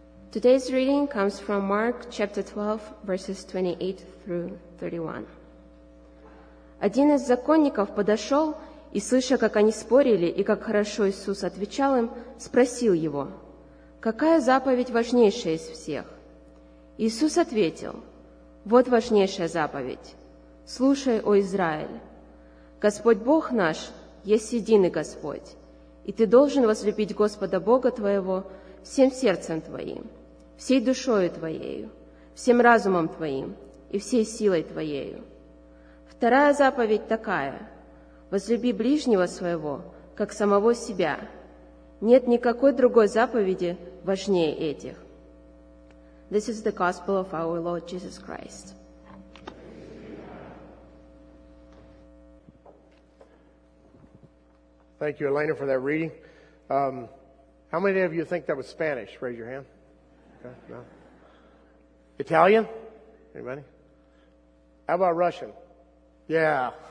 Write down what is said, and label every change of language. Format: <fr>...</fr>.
<en>Today's reading comes from Mark chapter 12, verses 28 through 31.</en> <ru>Один из законников подошел и, слыша, как они спорили и как хорошо Иисус отвечал им, спросил его: «Какая заповедь важнейшая из всех?» Иисус ответил: «Вот важнейшая заповедь. Слушай, о Израиль, Господь Бог наш есть единый Господь, и ты должен возлюбить Господа Бога твоего всем сердцем твоим, всей душою твоею, всем разумом твоим и всей силой твоею. Вторая заповедь такая: возлюби ближнего своего, как самого себя. Нет никакой другой заповеди важнее этих».</ru> <en>This is the gospel of our Lord Jesus Christ. Thank you, Elena, for that reading. How many of you think that was Spanish? Raise your hand. Okay, no. Italian? Anybody? How about Russian? Yeah.</en>